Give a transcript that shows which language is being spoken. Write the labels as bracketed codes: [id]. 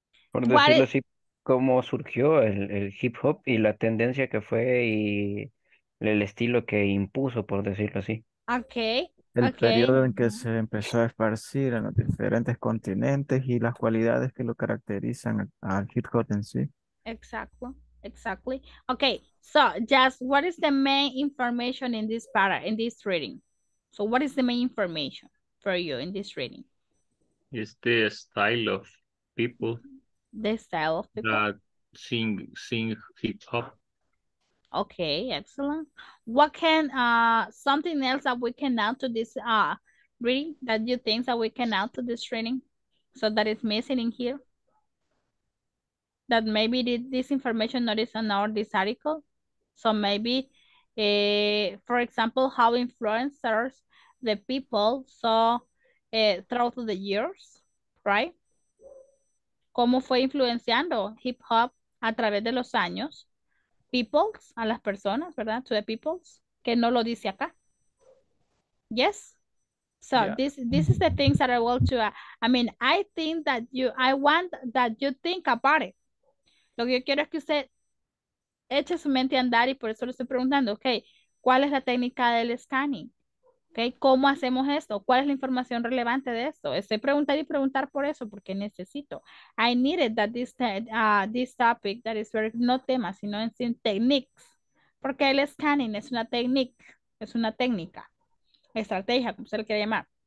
[es] Por decirlo así, cómo surgió el hip hop y la tendencia que fue y el estilo que impuso, por decirlo así. Ok. El periodo en que se empezó a esparcir en los diferentes continentes y las cualidades que lo caracterizan al hip hop en sí. Exacto. [en] Exactly. Okay, so just what is the main information in this para, in this reading? So what is the main information for you in this reading? It's the style of people. The style of people? That sing hip hop. Okay, excellent. What can, something else that we can add to this reading that you think that we can add to this reading? So that is missing in here? That maybe this information not is in our this article. So maybe, for example, how influencers, the people saw throughout the years, right? [es] ¿Cómo fue influenciando hip hop a través de los años? [en] Peoples, [es] a las personas, ¿verdad? [en] To the peoples, [es] que no lo dice acá. [en] Yes? So yeah. this is the things that I want to, I think that you, I want that you think about it. [es] Lo que yo quiero es que usted eche su mente a andar y por eso le estoy preguntando, ok, ¿cuál es la técnica del scanning? Ok, ¿cómo hacemos esto? ¿Cuál es la información relevante de esto? Estoy preguntando y preguntar por eso porque necesito. [en] I needed that this topic that is very, [es] no tema, sino en [en] techniques. [es] Porque el scanning es una técnica, estrategia, como usted le quiere llamar.